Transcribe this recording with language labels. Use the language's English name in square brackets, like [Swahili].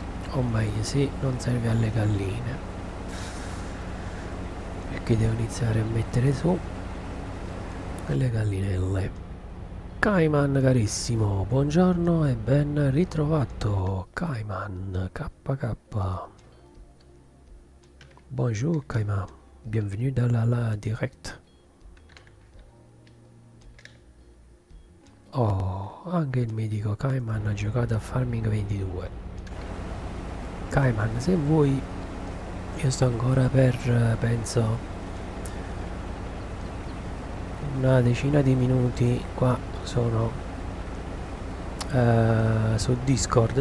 [Italian] O meglio, sì, non serve alle galline, perché devo iniziare a mettere su le gallinelle. Kaiman carissimo, buongiorno e ben ritrovato. Kaiman KK. [French] Bonjour Kaiman, bienvenue dans la direct. [Italian] Oh, anche il medico Kaiman ha giocato a Farming 22. Kaiman, se vuoi, io sto ancora per, penso, una decina di minuti qua sono su Discord.